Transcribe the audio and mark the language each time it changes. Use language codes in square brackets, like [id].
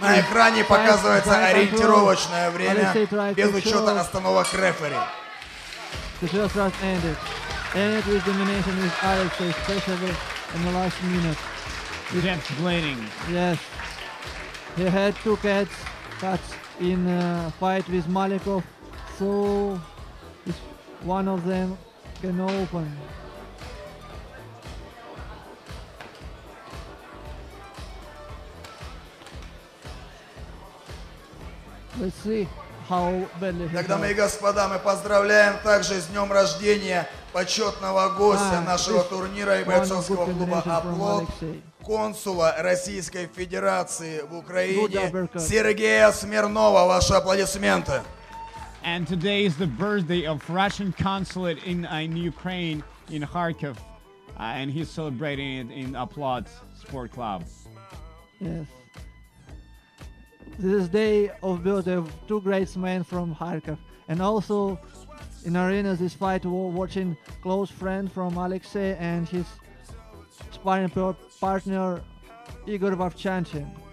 [ru] На экране показывается ориентировочное время без учета остановок рефери. [en] The first round ended. Ended with domination with Alexei, especially in the last minute. With Jeff's bleeding. Yes. He had two cuts in a fight with Malikov, so if one of them can open. Let's see. [ru] Тогда, мои господа, мы поздравляем также с днем рождения почетного гостя нашего турнира и бойцовского клуба «Аплод», консула Российской Федерации в Украине Сергея Смирнова. Ваши аплодисменты. [en] And today is the birthday of Russian consulate in Ukraine, in Kharkiv, and he's celebrating it in «Аплод» Sport Club. Yes. This day of birthday of two great men from Kharkov, and also in arena this fight watching close friend from Alexei and his sparring partner Igor Vavchanchin.